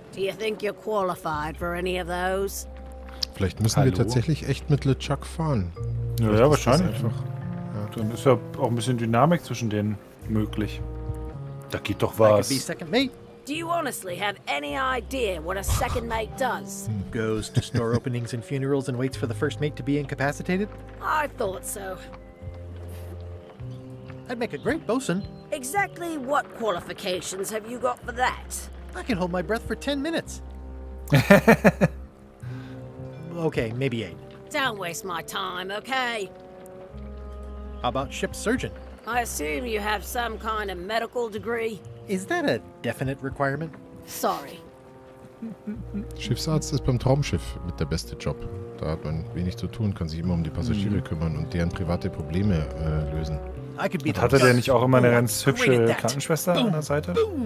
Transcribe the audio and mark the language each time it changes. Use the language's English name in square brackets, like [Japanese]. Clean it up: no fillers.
[English] Do you think you're qualified for any of those? [German] Vielleicht müssen Hallo? Wir tatsächlich echt mit LeChuck fahren. Ja, ja, wahrscheinlich. Einfach. Ja. Dann ist ja auch ein bisschen Dynamik zwischen denen möglich. Da geht doch was. [English] I could be second mate. Do you honestly have any idea what a second mate does? Goes to store openings and funerals and waits for the first mate to be incapacitated? I thought so. I'd make a great bosun. Exactly what qualifications have you got for that? I can hold my breath for 10 minutes. Okay, maybe 8. Don't waste my time, okay? How about ship surgeon? I assume you have some kind of medical degree. Is that a definite requirement? Sorry. [German] Schiffsarzt ist beim Traumschiff mit der beste Job. Da hat man wenig zu tun, kann sich immer um die Passagiere kümmern und deren private Probleme lösen. Und hatte der nicht auch immer eine ganz hübsche Krankenschwester an der Seite?